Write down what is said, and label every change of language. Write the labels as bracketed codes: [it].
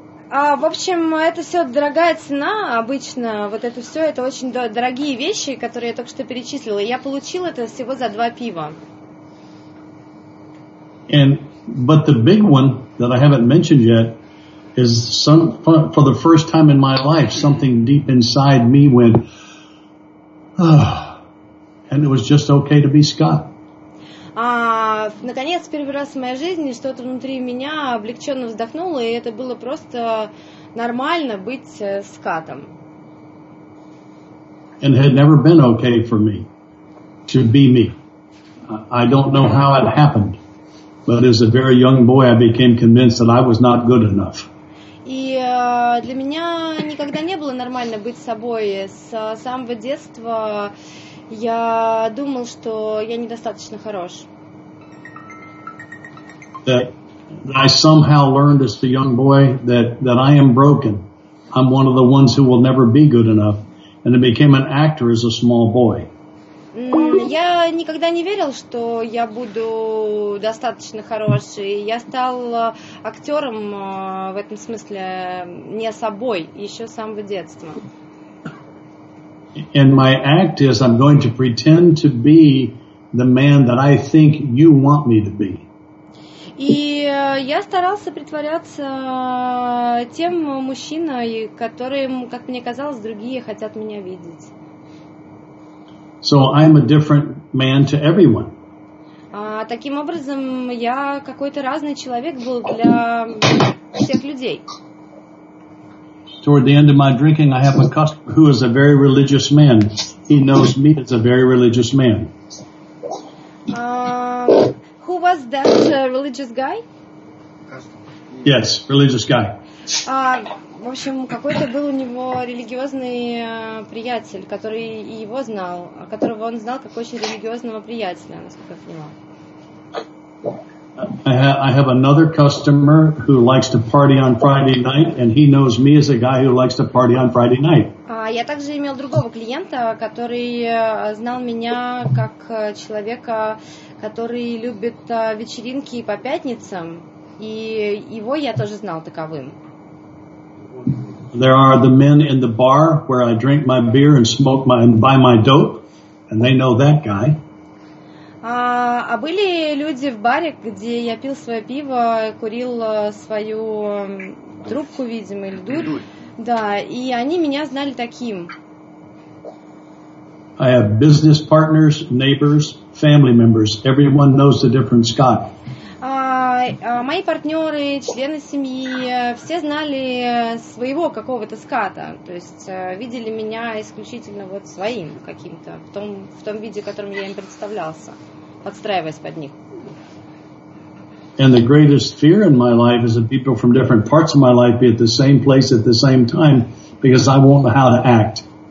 [ru] В общем, это все дорогая цена обычно. Вот это все, это очень дорогие вещи, которые я только что перечислила. Я получил это всего за два пива. [en] But the big one that I haven't mentioned yet is some for the first time in my life, something deep inside me went, and it was just okay to be Scott. [ru] Наконец, первый раз в моей жизни что-то внутри меня облегченно вздохнуло, и это было просто нормально быть скатом. [en] And it had never been okay for me to be me. I don't know how it happened, but as a very young boy, I became convinced that I was not good enough. [ru] И для меня никогда не было нормально быть собой. С самого детства я думал, что я недостаточно хорош. [en] That I somehow learned as a young boy that I am broken. I'm one of the ones who will never be good enough. And I became an actor as a small boy. [ru] Я никогда не верил, что я буду достаточно хороший. Я стал актером в этом смысле не собой еще с самого детства. [en] And my act is I'm going to pretend to be the man that I think you want me to be. [ru] И я старался притворяться тем мужчиной, которым, как мне казалось, другие хотят меня видеть. [en] So I'm a different man to everyone. [ru] Таким образом, я какой-то разный человек был для всех людей. [en] Toward the end of my drinking, I have a customer who is a very religious man. He knows me as a very religious man. Who was that religious guy? Yes, religious guy. [ru] В общем, какой-то был у него религиозный приятель, который его знал, которого он знал как очень религиозного приятеля, насколько я понимаю. [en] I have another customer who likes to party on Friday night, and he knows me as a guy who likes to party on Friday night. [ru] Я также имел другого клиента, который знал меня как человека, который любит вечеринки по пятницам, и его я тоже знал таковым. [en] There are the men in the bar where I drink my beer and smoke my and buy my dope, and they know that guy. [ru] А были люди в баре, где я пил свое пиво, курил свою трубку, видимо, или дурь. Да, и они меня знали таким. [en] I have business partners, neighbors, family members. Everyone knows the different Scott. [ru] Мои партнеры, члены семьи, все знали своего какого-то ската, то есть видели меня исключительно вот своим каким-то, в том виде, в котором я им представлялся, подстраиваясь под них. [en] And the greatest fear in my life is that people from different parts of my life be at the same place at the same time, because I won't know how to act.